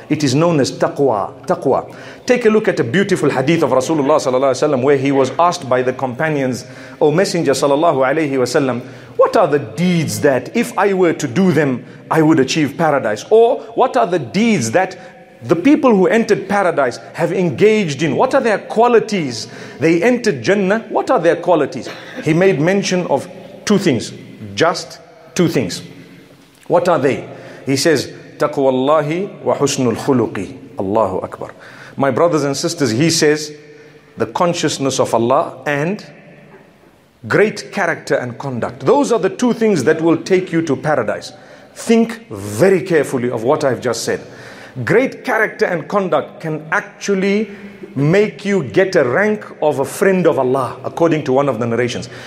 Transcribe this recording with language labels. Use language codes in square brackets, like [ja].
[en] It is known as taqwa. Take a look at a beautiful hadith of Rasulullah sallallahu alaihi wasallam where he was asked by the companions, O Messenger sallallahu alaihi wasallam, what are the deeds that if I were to do them, I would achieve paradise? Or what are the deeds that the people who entered paradise have engaged in? What are their qualities? They entered Jannah. What are their qualities? He made mention of two things, just two things. What are they? He says, [ar] تَقْوَى اللَّهِ وَحُسْنُ الْخُلُقِ. Allahu Akbar. [en] My brothers and sisters, he says, the consciousness of Allah and great character and conduct. Those are the two things that will take you to paradise. Think very carefully of what I've just said. Great character and conduct can actually make you get a rank of a friend of Allah, according to one of the narrations.